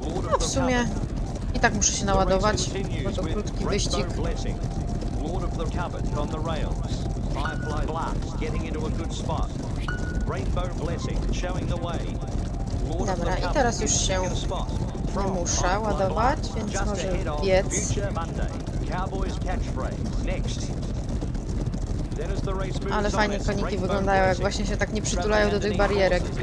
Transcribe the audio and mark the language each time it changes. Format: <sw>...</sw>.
<pl>No, w sumie i tak muszę się naładować, bo to krótki wyścig.</pl> <en>Lord of the Cupboard on the rails. Firefly Blast getting into a good spot. Rainbow Blessing showing the way.</en> <pl>Dobra, i teraz już się nie muszę ładować, więc może biec.</pl> <en>Cowboys catchphrase. Next.</en> <pl>Ale fajnie koniki wyglądają, jak właśnie się tak nie przytulają do tych barierek.</pl>